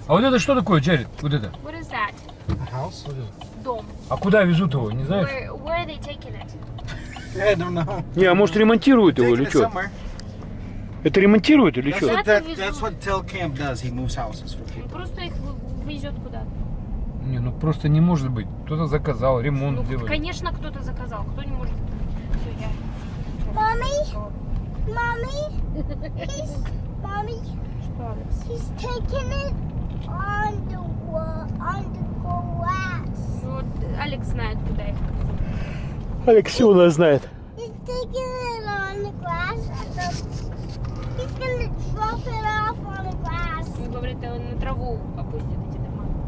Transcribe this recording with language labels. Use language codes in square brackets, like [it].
[ru] А вот это что такое, Джаред? Вот это. [en] What is that? A house? [ru] Вот это. Дом. А куда везут его, не знаешь? [en] Where are they taking it? I don't know. [ru] Не, а может ремонтируют его или что? Это ремонтируют или что? [en] That's what Telcamp does, he moves houses for people. [ru] Просто их везет куда-то. Не, ну просто не может быть. Кто-то заказал, ремонт делает. Конечно, кто-то заказал. Кто не может? [en] Мамми? Мамми? Мамми? He's taking it on the glass. [ru] Вот Алекс знает, куда их. Алекс все у нас знает. [en] He's taking it on the glass. And he's gonna drop it off on the glass. [ru] Он говорит, он на траву опустит эти дома.